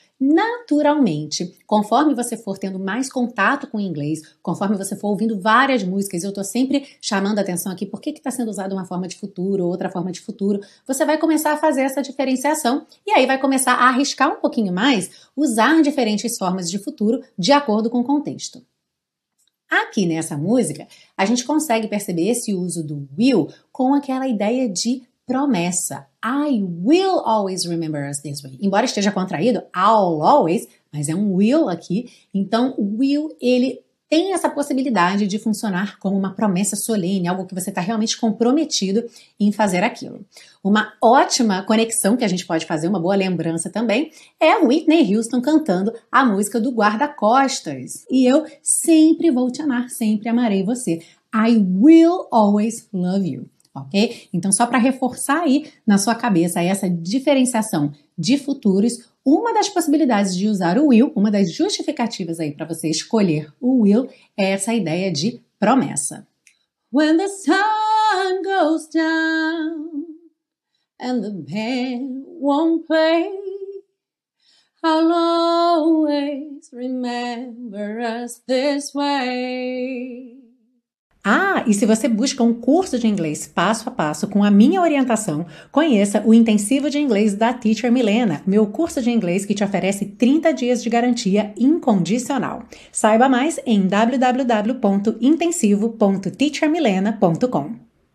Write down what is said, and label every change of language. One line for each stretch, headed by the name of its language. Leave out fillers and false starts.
Portuguese: Naturalmente, conforme você for tendo mais contato com o inglês, conforme você for ouvindo várias músicas, eu estou sempre chamando a atenção aqui, por que que está sendo usada uma forma de futuro ou outra forma de futuro, você vai começar a fazer essa diferenciação e aí vai começar a arriscar um pouquinho mais, usar diferentes formas de futuro de acordo com o contexto. Aqui nessa música, a gente consegue perceber esse uso do will com aquela ideia de promessa.
English: I will always remember us this way.
Portuguese: Embora esteja contraído,
English: I'll always,
Portuguese: mas é um will aqui. Então, o will, ele tem essa possibilidade de funcionar como uma promessa solene, algo que você está realmente comprometido em fazer aquilo. Uma ótima conexão que a gente pode fazer, uma boa lembrança também, é a Whitney Houston cantando a música do Guarda-Costas. E eu sempre vou te amar, sempre amarei você.
English: I will always love you.
Portuguese: Ok? Então, só para reforçar aí na sua cabeça essa diferenciação de futuros, uma das possibilidades de usar o will, uma das justificativas aí para você escolher o will, é essa ideia de promessa.
English: When the sun goes down and the band won't play, I'll always remember us this way.
Portuguese: Ah, e se você busca um curso de inglês passo a passo com a minha orientação, conheça o Intensivo de Inglês da Teacher Milena, meu curso de inglês que te oferece 30 dias de garantia incondicional. Saiba mais em www.intensivo.teachermilena.com.